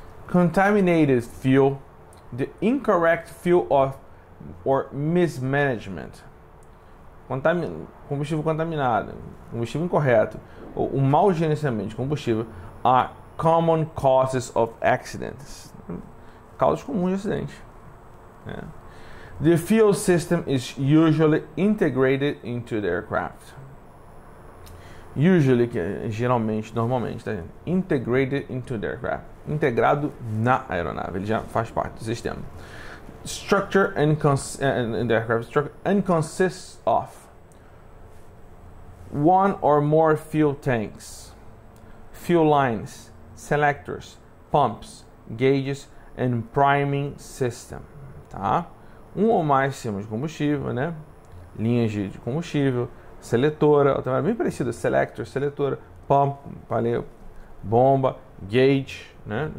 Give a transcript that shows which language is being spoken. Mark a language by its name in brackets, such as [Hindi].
[English] Contaminated fuel, the incorrect fuel or mismanagement. [Portuguese] Combustível contaminado, combustível incorreto, ou o mau gerenciamento de combustível [English] are common causes of accidents. [Portuguese] Causas comuns de acidente. É. [English] The fuel system is usually integrated into the aircraft. [Portuguese] Usually, que é geralmente, normalmente, tá, gente? [English] Integrated into the aircraft. [Portuguese] Integrado na aeronave, ele já faz parte do sistema. [English] Structure and the aircraft structure and consists of one or more fuel tanks, fuel lines, selectors, pumps, gauges and priming system, tá? [Portuguese] Um ou mais sistemas de combustível, né? Linhas de combustível, seletora, também é bem parecido, selector, seletora, pump, valeu, bomba, gauge, né?